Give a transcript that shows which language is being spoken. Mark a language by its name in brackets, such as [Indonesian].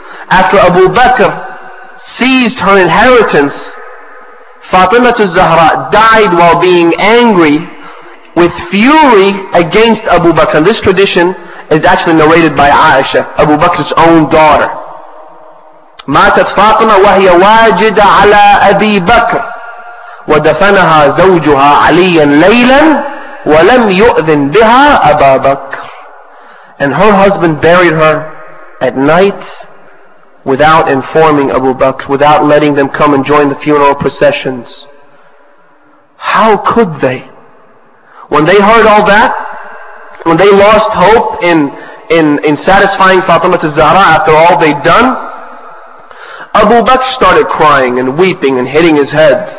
[English] After Abu Bakr seized her inheritance, Fatima al-Zahra died while being angry with fury against Abu Bakr. And this tradition is actually narrated by Aisha, Abu Bakr's own daughter. [Arabic] ماتت فاطمة وهي واجدة على أبي بكر ودفنها زوجها عليا ليلا ولم يؤذن بها أبا بكر. [English] And her husband buried her at night without informing Abu Bakr, without letting them come and join the funeral processions. How could they? When they heard all that, when they lost hope in satisfying Fatima al-Zahra after all they'd done, Abu Bakr started crying and weeping and hitting his head.